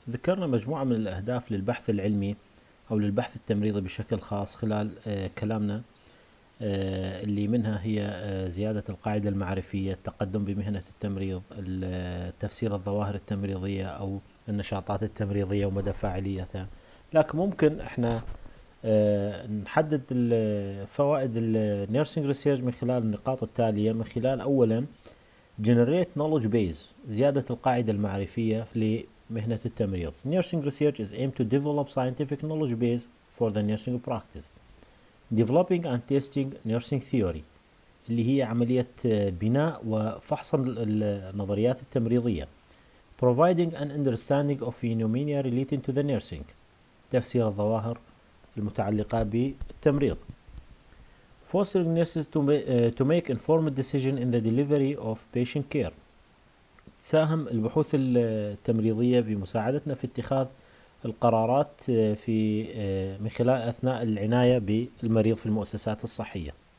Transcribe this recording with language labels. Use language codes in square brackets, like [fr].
[ar] ذكرنا مجموعه من الاهداف للبحث العلمي او للبحث التمريضي بشكل خاص خلال كلامنا، اللي منها هي زيادة القاعدة المعرفية، التقدم بمهنة التمريض، تفسير الظواهر التمريضية أو النشاطات التمريضية ومدى فاعليتها. لكن ممكن احنا نحدد فوائد النيرسينج ريسيرش من خلال النقاط التالية. من خلال أولا جنريت نولج بيز، زيادة القاعدة المعرفية لمهنة التمريض. [en] Nursing research is aimed to develop scientific knowledge base for the nursing practice. Developing and testing nursing theory، [ar] اللي هي عملية بناء وفحص النظريات التمريضية. [en] Providing an understanding of phenomena relating to the nursing، [ar] تفسير الظواهر المتعلقة بالتمريض. [en] Fostering nurses to make informed decision in the delivery of patient care، [ar] تساهم البحوث التمريضية بمساعدتنا في اتخاذ القرارات في من خلال أثناء العناية بالمريض في المؤسسات الصحية.